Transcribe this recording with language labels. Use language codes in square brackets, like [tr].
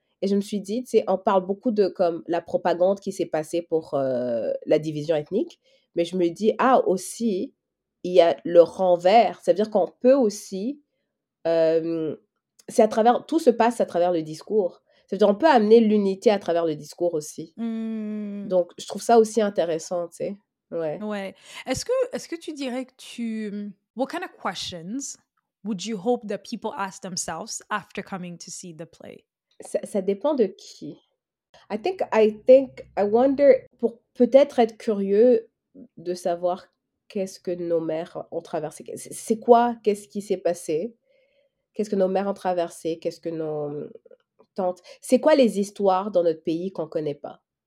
[fr] Et je me suis dit, tu sais, on parle beaucoup de comme la propagande qui s'est passée pour la division ethnique, mais je me dis, ah, aussi, il y a le renvers, c'est-à-dire qu'on peut aussi, c'est à travers, tout se passe à travers le discours, c'est-à-dire qu'on peut amener l'unité à travers le discours aussi. Donc, je trouve ça aussi intéressant, tu sais, ouais. Ouais. Est-ce que tu dirais que tu, [en] what kind of questions would you hope that people ask themselves after coming to see the play? [fr] Ça dépend de qui. [en] I think, I wonder, [fr] pour peut-être être curieux de savoir qu'est-ce que nos mères ont traversé. C'est quoi? Qu'est-ce qui s'est passé? Qu'est-ce que nos mères ont traversé? Qu'est-ce que nos tantes... C'est quoi les histoires dans notre pays qu'on ne connaît pas?